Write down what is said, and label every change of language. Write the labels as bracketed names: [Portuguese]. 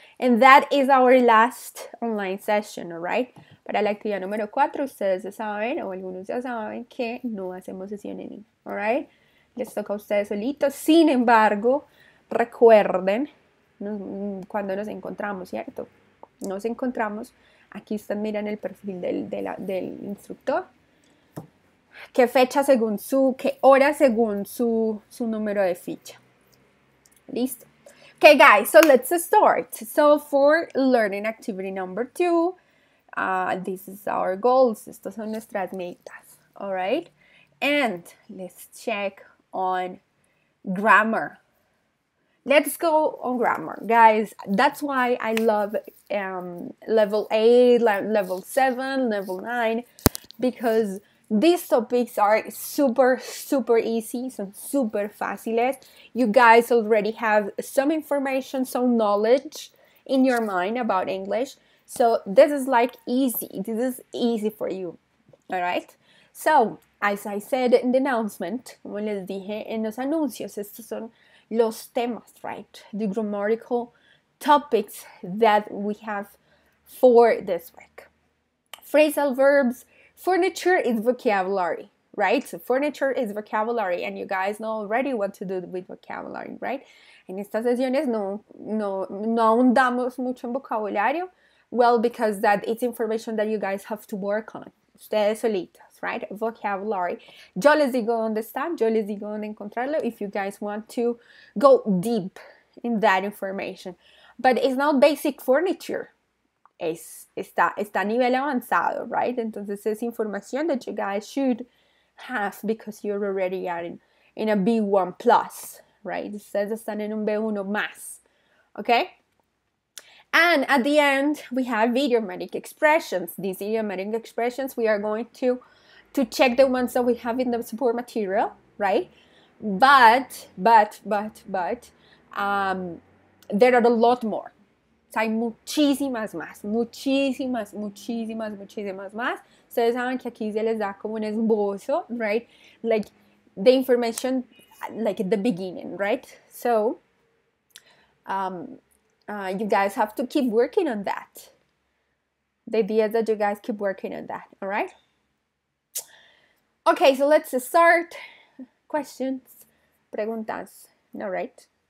[English] And that is our last online session, all right? [Spanish] Para la actividad número 4, ustedes ya saben, o algunos ya saben, que no hacemos sesión en línea, all right? Les toca a ustedes solitos. Sin embargo, recuerden cuando nos encontramos, ¿cierto? Nos encontramos. Aquí ustedes miran el perfil del instructor. ¿Qué fecha según su, qué hora según su número de ficha? [English] ¿Listo? Okay, guys, so let's start. So for learning activity number 2, this is our goals. [Spanish] Estas son nuestras metas. [English] All right? And let's check on grammar. Let's go on grammar, guys. That's why I love level 8, level 7, level 9, because These topics are super, super easy, so [Spanish] super fáciles. [English] You guys already have some information, some knowledge in your mind about English. So this is like easy. This is easy for you. All right? So, as I said in the announcement, [Spanish] como les dije en los anuncios, estos son los temas, [English] right? The grammatical topics that we have for this week. Phrasal verbs. Furniture is vocabulary, right? So furniture is vocabulary, and you guys know already what to do with vocabulary, right? [Spanish] En estas sesiones no ahondamos mucho en vocabulario. [English] Well, because that it's information that you guys have to work on. [Spanish] Ustedes solitos, right? Vocabulary. Yo les digo dónde está, yo les digo dónde encontrarlo [English] if you guys want to go deep in that information. But it's not basic furniture. [Spanish] Está a nivel avanzado, [English] right? [Spanish] Entonces es información [English] that you guys should have because you're already in a B1 plus, right? [Spanish] Ustedes están en un B1 más, [English] okay? And at the end, we have idiomatic expressions. These idiomatic expressions, we are going to check the ones that we have in the support material, right? But there are a lot more. [Spanish] Hay muchísimas más, muchísimas, muchísimas, muchísimas más. Ustedes saben que aquí se les da como un esbozo, right? [English] Like the information, like at the beginning, right? So, you guys have to keep working on that. The idea is that you guys keep working on that, all right? Okay, so let's start. Questions, preguntas, all right?